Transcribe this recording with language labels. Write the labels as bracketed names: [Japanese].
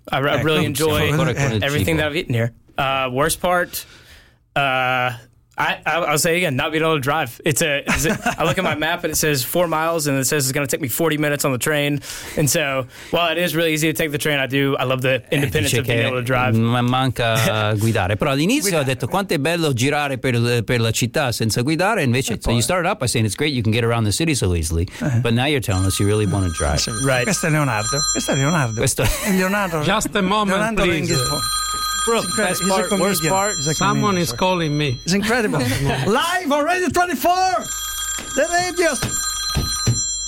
[English] I really enjoy everything that I've eaten here. Worst part, I'll say it again, not being able to drive. I look at my map and it says 4 miles, and it says it's going to take me 40 minutes on the train. And so, while it is really easy to take the train, I love the independence of being able to drive. [Italian] Manca guidare. Però all'inizio ha detto quanto è bello girare per la città senza guidare. Invece, [English] so you started up by saying it's great, you can get around the city so easily. Uh-huh. But now you're telling us you really want to drive. Right. [Italian] Questo è Leonardo. Questo è Leonardo. [English] Just a moment, Leonardo, please. Someone is calling me. It's incredible. Live on Radio 24. The radio.